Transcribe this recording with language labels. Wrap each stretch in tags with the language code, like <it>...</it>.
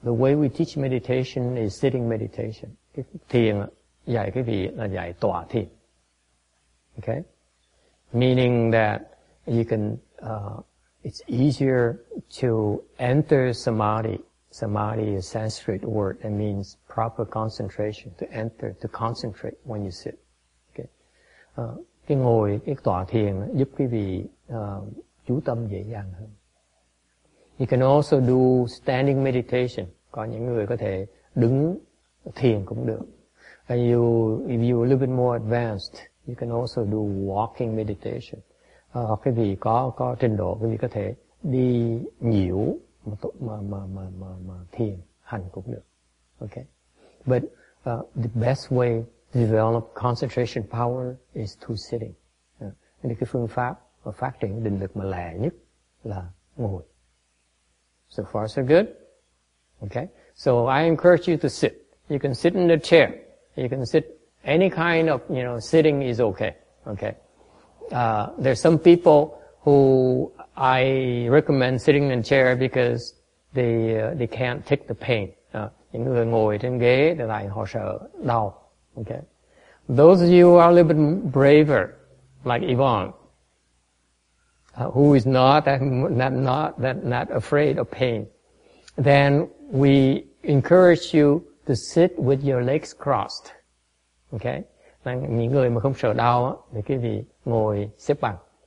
<en>The way we teach meditation is sitting meditation.</en> <vi>Thiền dạy quý vị là dạy tọa thiền.</vi> <en>Okay? Meaning that you can, it's easier to enter samadhi. Samadhi is a Sanskrit word that means proper concentration, to enter, to concentrate when you sit. Okay?</en> <vi>Cái ngồi, cái tọa thiền giúp quý vị chú tâm dễ dàng hơn.</vi> <en>You can also do standing meditation.</en> <vi>Có những người có thể đứng thiền cũng được.</vi> <en>And you, if you're a little bit more advanced, you can also do walking meditation.</en> <vi>Quý vị có trình độ, quý vị có thể đi nhiều mà thiền. hành cũng được. Okay.</vi> <en>But the best way to develop concentration power is through sitting.</en> <vi>Nên cái phương pháp và phát triển định lực mà lẹ nhất là ngồi.</vi> <en>So far so good. Okay. So I encourage you to sit. You can sit in a chair. You can sit any kind of, you know, sitting is okay. Okay. There's some people who I recommend sitting in a chair because they can't take the pain.</en> <vi>Những người ngồi trên ghế thì lại họ sợ đau.</vi> <en>Okay. Those of you who are a little bit braver, like Yvonne, who is not afraid of pain, then we encourage you to sit with your legs crossed. Okay.</en> <vi>Những người mà không sợ đau thì quý vị ngồi xếp bằng.</vi>